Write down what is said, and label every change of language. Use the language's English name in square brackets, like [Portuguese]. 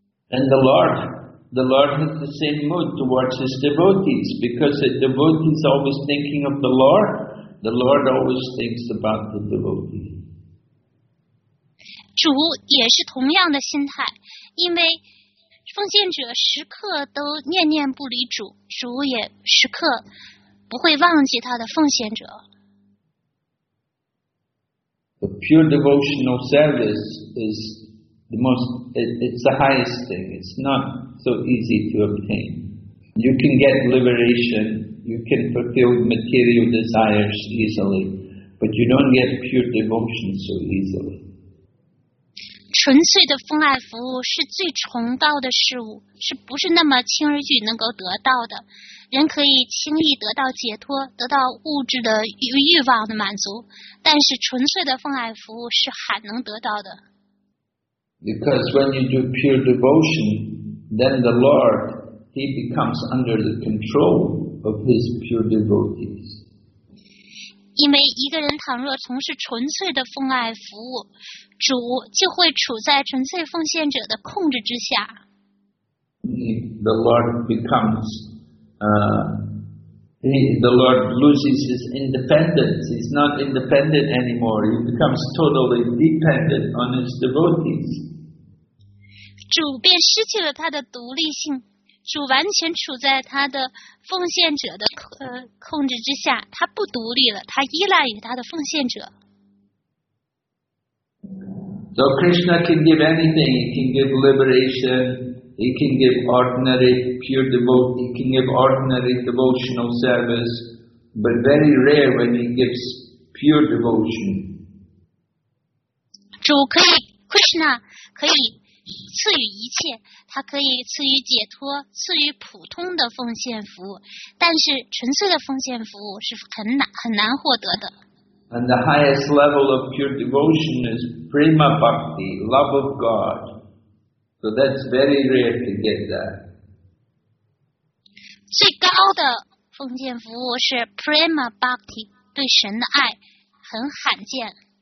[English] And the Lord has the same mood towards his devotees, because the devotee is always thinking of the Lord. The Lord always thinks about the devotee. [Chinese] 主也是同样的心态，因为奉献者时刻都念念不离主，主也时刻不会忘记他的奉献者。 [English] The pure devotional service is the most, it's the highest thing. It's not so easy to obtain. You can get liberation, you can fulfill material desires easily, but you don't get pure devotion so easily. [Chinese] 纯粹的奉爱服务是最崇高的事物，是不是那么轻而易举能够得到的。人可以轻易得到解脱，得到物质的欲望的满足，但是纯粹的奉爱服务是很能得到的。 [English] Because when you do pure devotion, then the Lord, he becomes under the control of his pure devotees. [Chinese] 因为一个人倘若从事纯粹的奉爱服务，主就会处在纯粹奉献者的控制之下。 [English] The Lord becomes the Lord loses his independence. He's not independent anymore. He becomes totally dependent on his devotees. [Chinese] 主便失去了他的独立性，主完全处在他的奉献者的控制之下。他不独立了，他依赖于他的奉献者。 [English] So Krishna can give anything. He can give liberation. He can give ordinary pure devotion. He can give ordinary devotional service. But very rare when he gives pure devotion. [Chinese] 主可以 ，Krishna 可以赐予一切，它可以赐予解脱，赐予普通的奉献服务，但是纯粹的奉献服务是很难获得的。 [English] And the highest level of pure devotion is prema bhakti, love of God. So that's very rare to get that. [Chinese] 最高的奉献服务是 prema bhakti, 对神的爱，很罕见。